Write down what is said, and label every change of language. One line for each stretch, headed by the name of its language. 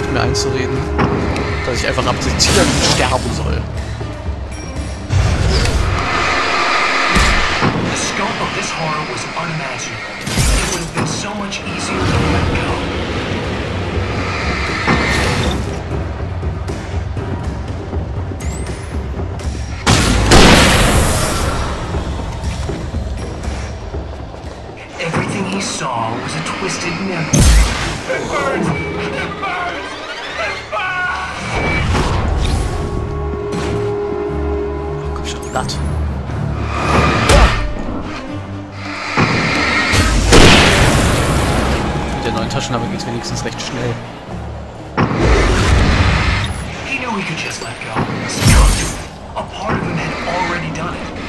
German: Einzureden, dass ich einfach abzitieren und sterben soll.
English: The scope of this horror was unimaginable. It would have been so much easier to let go. Everything he saw was a twisted memory. It burns!
German: Blatt. Mit der neuen Taschenlampe geht's wenigstens recht schnell.
English: He knew he could just let go. A part of him had already done it.